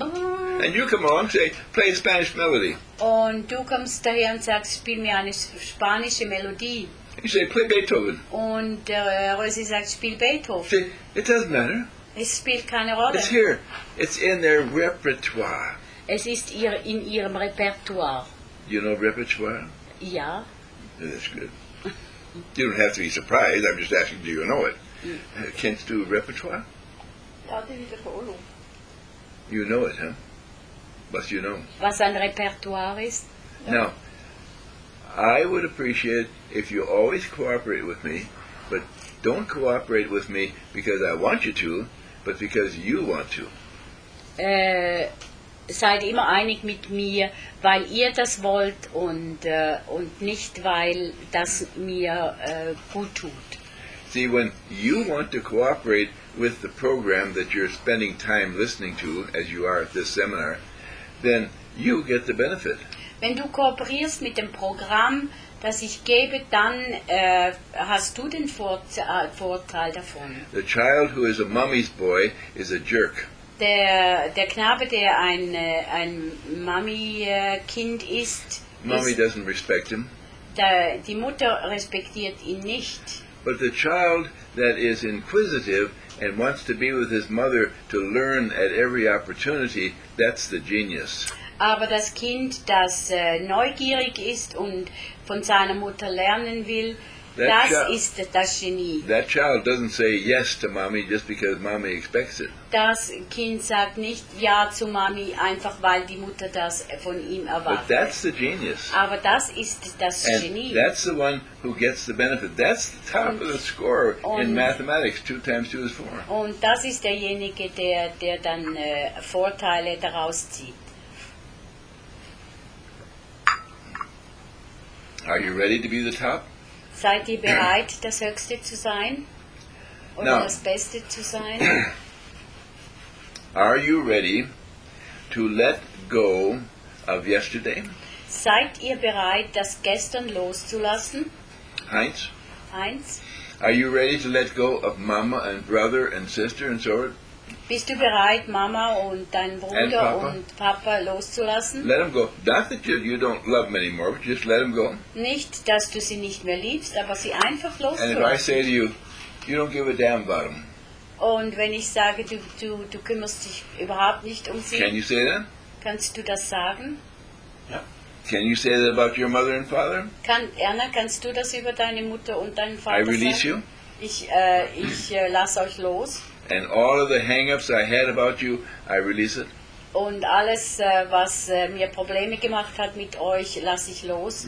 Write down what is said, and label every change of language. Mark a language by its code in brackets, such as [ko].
[en] And you come on and say, play a Spanish melody. [de] Und du kommst daher und sagst, spiel mir eine spanische Melodie. [en] You say, play Beethoven. [de] Und Rosi sagt, spiel Beethoven. [en] See, it doesn't matter. [de] Es spielt keine Rolle. [en] It's here. It's in their repertoire. [de] Es ist in ihrem Repertoire. [en] You know repertoire? [de] Ja. [en] Yeah, that's good. You don't have to be surprised. I'm just asking, do you know it? [de] Kennst du repertoire? Ja, die Wiederholung. [en] You know it, huh? Was you know? [de] Was ein Repertoire ist? Ja. [en] Now, I would appreciate if you always cooperate with me, but don't cooperate with me because I want you to, but because you want to. [de] Seid immer einig mit mir, weil ihr das wollt und nicht, weil das mir gut tut. [en] See, when you want to cooperate with the program that you're spending time listening to, as you are at this seminar, then you get the benefit. [de] Wenn du kooperierst mit dem Programm, das ich gebe, dann hast du den Vorteil davon. [en] The child who is a mommy's boy is a jerk. [de] Der Knabe, der ein Mami-Kind ist, [en] Mami doesn't respect him. [de] Die Mutter respektiert ihn nicht. [en] But the child that is inquisitive and wants to be with his mother to learn at every opportunity, that's the genius. [de] Aber das Kind, das neugierig ist und von seiner Mutter lernen will, ist das Genie. [en] That child doesn't say yes to mommy just because mommy expects it. [de] Das Kind sagt nicht ja zu Mami, einfach weil die Mutter das von ihm erwartet. [en] But that's the genius. [de] Aber das ist das [en] And [de] Genie. [en] That's the one who gets the benefit. That's the top of the score in mathematics. 2 times 2 is 4. [de] Und das ist derjenige, der dann Vorteile daraus zieht. [en] Are you ready to be the top? [de] Seid ihr bereit, das Höchste zu sein? Oder [en] Now, [de] das Beste zu sein? [en] Are you ready to let go of yesterday? [de] Seid ihr bereit, das Gestern loszulassen? [en] Heinz? Are you ready to let go of Mama and brother and sister and so on? [de] Bist du bereit, Mama und dein Bruder und Papa loszulassen? [en] Let them go. Not that you don't love them anymore, but just let them go. [de] Nicht, dass du sie nicht mehr liebst, aber sie einfach loszulassen. [en] And if I say to you don't give a damn about them. [de] Und wenn ich sage, du kümmerst dich überhaupt nicht um sie. [en] Can you say that? [de] Kannst du das sagen? Ja. [en] Can you say that about your mother and father? [de] Erna, kannst du das über deine Mutter und deinen Vater sagen? [en] I release [de] sagen? [en] You. [de] Ich lasse euch los. [en] And all of the hang-ups I had about you, I release it. [de] Und alles, was mir Probleme gemacht hat mit euch, lasse ich los.